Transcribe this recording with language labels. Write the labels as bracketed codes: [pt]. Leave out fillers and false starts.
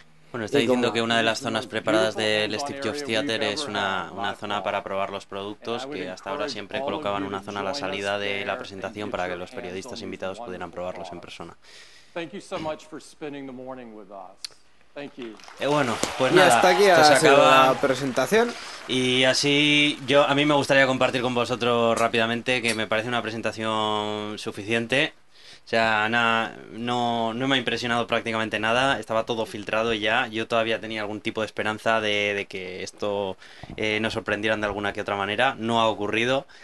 [es] Bueno, está diciendo que una de las zonas preparadas del Steve Jobs Theater es una zona para probar los productos, que hasta ahora siempre colocaban una zona a la salida de la presentación para que los periodistas invitados pudieran probarlos en persona. [en] Thank you so much for spending the morning with us. Thank you. [es] Bueno, pues y nada, hasta aquí esto se acaba la presentación. Y así, a mí me gustaría compartir con vosotros rápidamente que me parece una presentación suficiente. O sea, no me ha impresionado prácticamente nada, estaba todo filtrado ya. Yo todavía tenía algún tipo de esperanza de que esto nos sorprendieran de alguna que otra manera. No ha ocurrido.